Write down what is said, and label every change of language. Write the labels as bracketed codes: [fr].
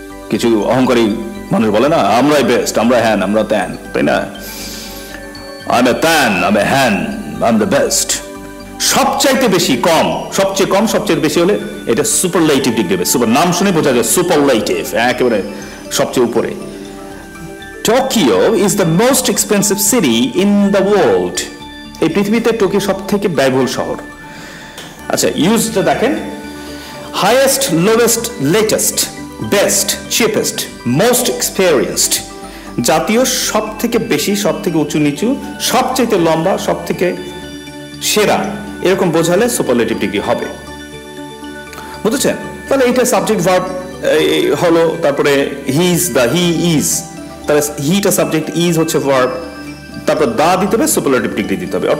[bn] কিছু অহংকারী মানুষ বলে না, আমরাই বেস্ট, আমরা হ্যান, আমরা ত্যান, তাই না? [en] I am a than, I am a হ্যান, I am the best. [bn] সবচাইতে বেশি, কম, সবচেয়ে কম, সবচেয়ে বেশি হলে এটা সুপারলেটিভ ডিগ্রি হবে। সুপার, নাম শুনে বোঝা যায় সুপারলেটিভ, একেবারে সবচেয়ে উপরে। [en] Tokyo is the most expensive city in the world. [bn] এই পৃথিবীতে টোকিও সবথেকে ব্যয়বহুল শহর। আচ্ছা, ইউজটা দেখেন। [en] Highest, lowest, latest, best, cheapest, most experienced. [bn] জাতীয় সবথেকে বেশি, সবথেকে উঁচু নিচু, সবচেয়ে লম্বা, সবথেকে সেরা। এরকম বোঝালে সুপারলেটিভ ডিগ্রি হবে। বুঝেছেন? তাহলে এটা সাবজেক্ট ভার্ব হলো, তারপরে [en] he is the, he is, [bn] তাহলে হিটা সাবজেক্ট, ইজ হচ্ছে ভার্ব, তারপর দা দিতে হবে, সুপারলেটিভ ডিগ্রি দিতে হবে।